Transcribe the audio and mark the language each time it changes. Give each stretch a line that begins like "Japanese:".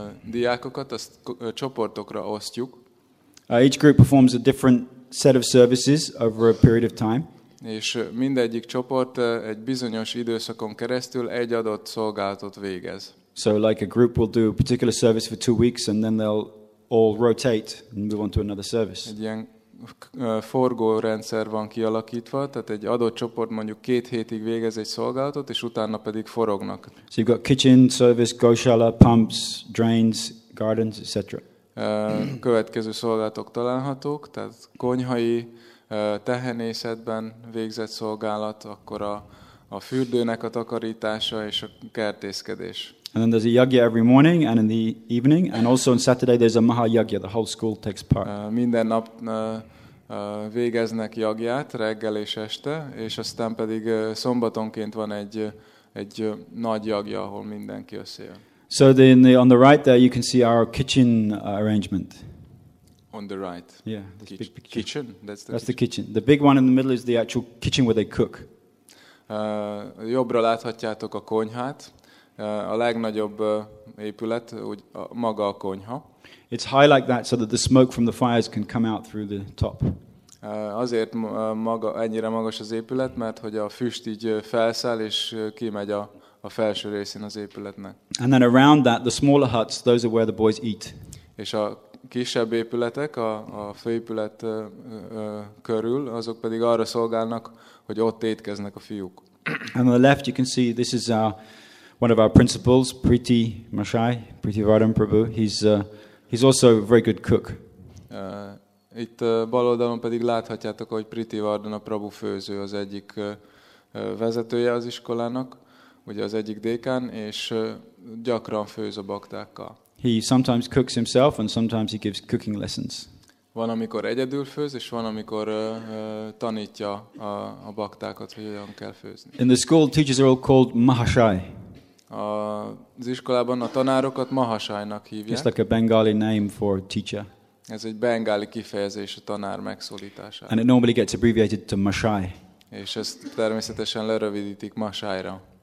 Hungarian: Diákokat azt csoportokra osztjuk.
English: Each group performs a different set of services over a period of time.
Hungarian: És mindegyik csoport egy bizonyos időszakon keresztül egy adott szolgálatot végez.
English: So like a group will do a particular service for 2 weeks and then they'll all rotate and move on to another service.
Hungarian: Egy ilyen forgó rendszer van kialakítva, tehát egy adott csoport mondjuk két hétig végez egy szolgálatot, és utána pedig forognak.
English: So you've got kitchen service, goshala, pumps, drains, gardens, etc.
Hungarian: Következő szolgálatok találhatók, tehát konyhai, tehenészetben végzett szolgálat, akkor a fürdőnek a takarítása és a kertészkedés.
English: And then there's a yagya every morning and in the evening, and also on Saturday there's a maha yagya, the whole school takes part.
Hungarian: Minden nap végeznek yagyát, reggel és este, és aztán pedig szombatonként van egy nagy yagya, ahol mindenki összejön.
English: So then on the right there you can see our kitchen arrangement. On the right. Yeah. Kitchen. That's the kitchen. The big one in the middle is the actual kitchen where they cook.
Hungarian: Jobbra láthatjátok a konyhát. A legnagyobb épület, úgy maga a konyha.
English: It's high like that so that the smoke from the fires can come out through the top.
Hungarian: Azért maga ennyire magas az épület, mert hogy a füst így felszáll és kimegy a felső részén az épületnek.
English: And then around that, the smaller huts, those are where the boys eat.
Hungarian: És a kisebb épületek, a főépület körül, azok pedig arra szolgálnak, hogy ott étkeznek a fiúk.
English: And on the left you can see this is one of our principals, Priti Mashai, Priti Vardhan Prabhu. He's also a very good cook.
Hungarian: Itt bal oldalon pedig láthatjátok, hogy Priti Vardhan Prabhu főző az egyik vezetője az iskolának, ugye az egyik dékán, és gyakran főz a baktákkal.
English: He sometimes cooks himself and sometimes he gives cooking lessons.
Hungarian: Van, amikor egyedül főz, és van, amikor tanítja a baktákat, hogy hogyan kell főzni.
English: In the school, teachers are all called Mahashai.
Hungarian: Az iskolában a tanárokat Mahashai-nak hívják.
English: It's like a Bengali name for teacher.
Hungarian: Ez egy bengáli kifejezés a tanár megszólítására.
English: And it normally gets abbreviated to Mashai.
Hungarian: És ezt természetesen lerövidítik Mashai-ra.